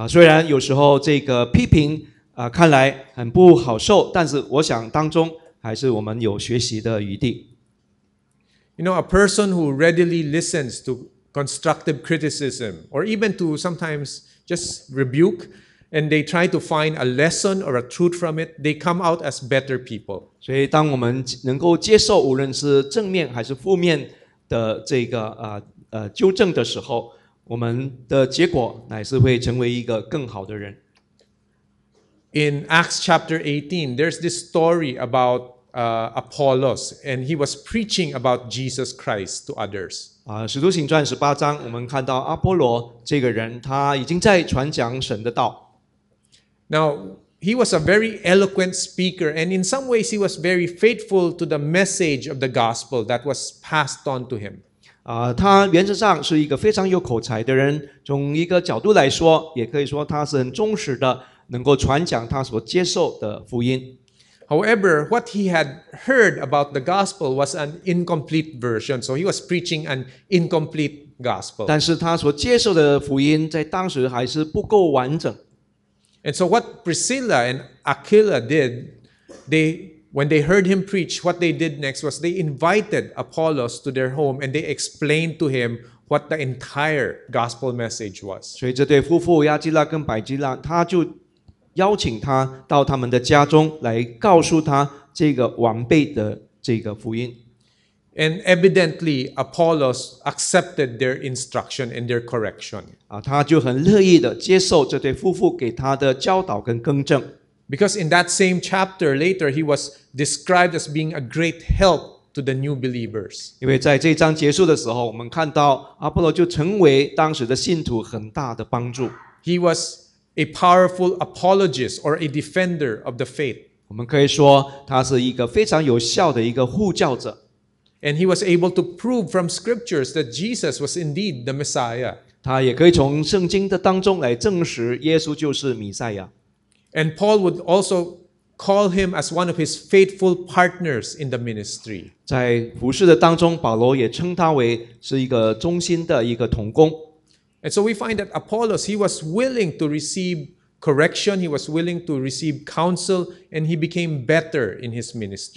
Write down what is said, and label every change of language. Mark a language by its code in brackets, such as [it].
[zh] 虽然有时候这个批评看来很不好受，但是我想当中还是我们有学习的余地。 [en] You know, a person who readily listens to constructive criticism, or even to sometimes just rebuke, and they try to find a lesson or a truth from it, they come out as better people. [zh] 所以当我们能够接受无论是正面还是负面的这个纠正的时候，我们的结果乃是会成为一个更好的人。 [en] In Acts chapter 18, there's this story aboutApollos, and he was preaching about Jesus Christ to others. [zh] 使徒行传十八章，我们看到阿波罗这个人，他已经在传讲神的道。 [en] Now, he was a very eloquent speaker, and in some ways he was very faithful to the message of the gospel that was passed on to him. [zh] 他原则上是一个非常有口才的人，从一个角度来说，也可以说他是很忠实的，能够传讲他所接受的福音。 [en] However, what he had heard about the gospel was an incomplete version, so he was preaching an incomplete gospel. [zh] 但是他所接受的福音在当时还是不够完整。 [en] And so what Priscilla and Aquila did, when they heard him preach, what they did next was they invited Apollos to their home and they explained to him what the entire gospel message was. [zh] 所以这对夫妇亚基拉跟百基拉，他就邀请他到他们的家中来告诉他这个完备的这个福音。 [en] And evidently, Apollos accepted their instruction and their correction. [zh] 他就很乐意地接受这对夫妇给他的教导跟更正。 [en] Because in that same chapter later, he was described as being a great help to the new believers. [zh] 因为在这章结束的时候，我们看到阿波罗就成为当时的信徒很大的帮助。 [en] He was a powerful apologist or a defender of the faith. [zh] 我们可以说他是一个非常有效的一个护教者。 [en] And he was able to prove from scriptures that Jesus was indeed the Messiah. [zh] 他也可以从圣经的当中来证实耶稣就是弥赛亚。 [en] And Paul would also call him as one of his faithful partners in the ministry. [zh] 在服事的当中，保罗也称他为是一个忠心的一个同工。 [en] And so we find that Apollos, he was willing to receive correction, he was willing to receive counsel, and he became better in his ministry.